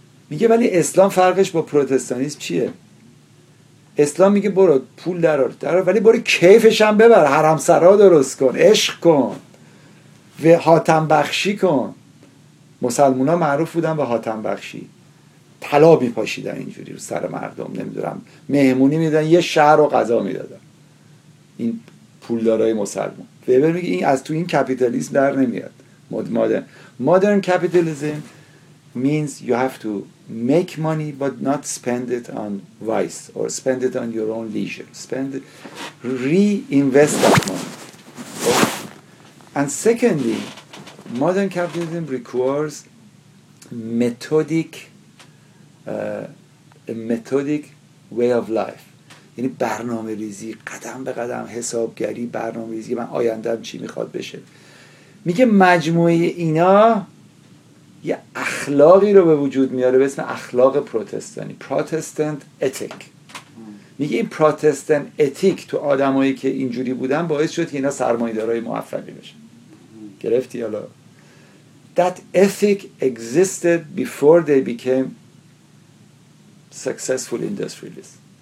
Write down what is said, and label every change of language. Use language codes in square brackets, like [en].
[fa] میگه ولی اسلام فرقش با پروتستانیسم چیه؟ اسلام میگه برو پول درار درار، ولی برو کیفش هم ببر، حرم سرا درست کن، عشق کن و حاتم بخشی کن. مسلمونا معروف بودن به حاتم بخشی، طلا میپاشیدن اینجوری رو سر مردم، نمیدونم مهمونی میدن، یه شهر رو غذا میدادن این پولدارای مسلمون. وبر میگه این از تو این کپیتالیسم در نمیاد. [en] Modern capitalism means you have to make money but not spend it on vice or spend it on your own leisure. Spend it, reinvest that money. And secondly, modern capitalism requires methodic way of life. [fa] یعنی برنامه ریزی، قدم به قدم، حسابگری، برنامه ریزی، من آیندم چی میخواد بشه. میگه مجموعه اینا یه اخلاقی رو به وجود میاره به اسم اخلاق پروتستانی، پروتستانت اتیک. میگه این پروتستانت اتیک تو آدمایی که اینجوری بودن باعث شد که اینا سرمایه‌دارای موفقی بشن. گرفتی حالا؟ [en] That ethic existed before they became successful industrialists.